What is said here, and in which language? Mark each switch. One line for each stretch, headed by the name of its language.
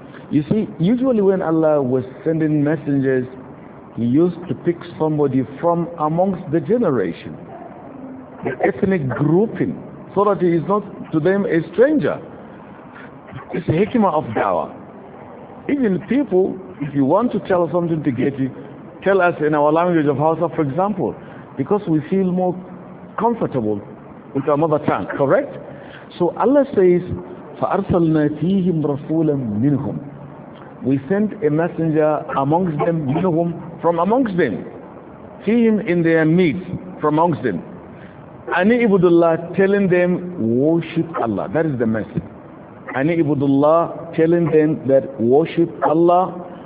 English: You see, usually when Allah was sending messengers, He used to pick somebody from amongst the generation, the ethnic grouping, so that He is not to them a stranger. It's the hikmah of da'wah. Even people, if you want to tell something to get it, tell us in our language of Hausa, for example, because we feel more comfortable with our mother tongue, correct? So Allah says,
Arabic: فَأَرْسَلْنَا فِيهِمْ رَسُولًا مِنْهُمْ.
English: We sent a messenger amongst them, minhum, from amongst them. Fihim, in their midst, from amongst them.
Arabic: أَنِ إِبُدُ اللَّهِ,
English: telling them, worship Allah. That is the message.
Arabic: أَنِ إِبُدُ اللَّهِ,
English: telling them that worship Allah.